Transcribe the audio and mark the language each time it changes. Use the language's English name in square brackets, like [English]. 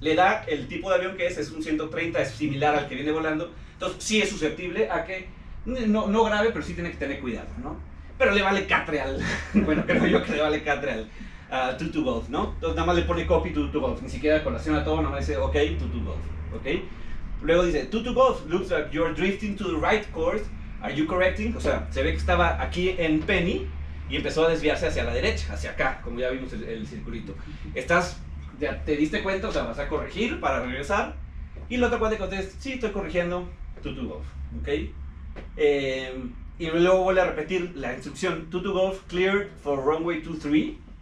[Spanish] Le da el tipo de avión que es un 130, es similar al que viene volando. Entonces, sí es susceptible a que, no grave, pero sí tiene que tener cuidado, ¿no? Pero le vale catre al, bueno, creo yo que le vale catre al 22 Golf, ¿no? Entonces, nada más le pone copy 22 Golf, ni siquiera colación a todo, nada más dice, ok, 22 Golf, ¿ok? Luego dice, [English] 22 Golf, looks like you're drifting to the right course, are you correcting? [Spanish] O sea, se ve que estaba aquí en Penny y empezó a desviarse hacia la derecha, hacia acá, como ya vimos el circulito. Estás, ya te diste cuenta, o sea, vas a corregir para regresar. Y el otro cuate contesta, sí, estoy corrigiendo, 22 Golf, ¿ok? Y luego vuelve a repetir la instrucción, 22 Golf, [English] clear for runway 23.